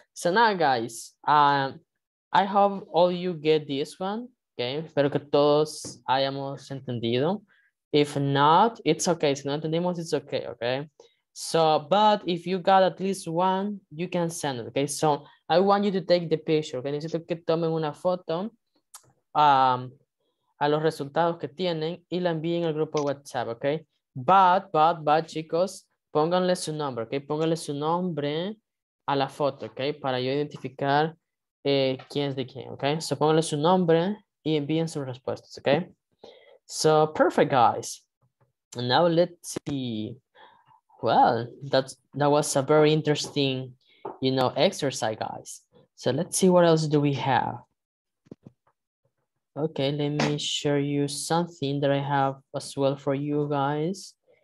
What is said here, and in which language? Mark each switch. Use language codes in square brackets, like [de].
[en] So now, guys, I hope all you get this one. Okay, espero que todos hayamos entendido. If not, it's okay. Si no entendimos, it's okay, okay? So, but if you got at least one, you can send it, okay? So, I want you to take the picture, okay? [es] Necesito que tomen una foto a los resultados que tienen y la envíen al grupo WhatsApp, okay? But, chicos, pónganle su nombre, okay? Pónganle su nombre a la foto, okay? Para yo identificar quién es de quién, okay? So, pónganle su nombre y envíen sus respuestas, okay? [en] So, perfect, guys. Now, let's see. Well, that was a very interesting, you know, exercise, guys. So let's see what else do we have. Okay, let me show you something that I have as well for you guys.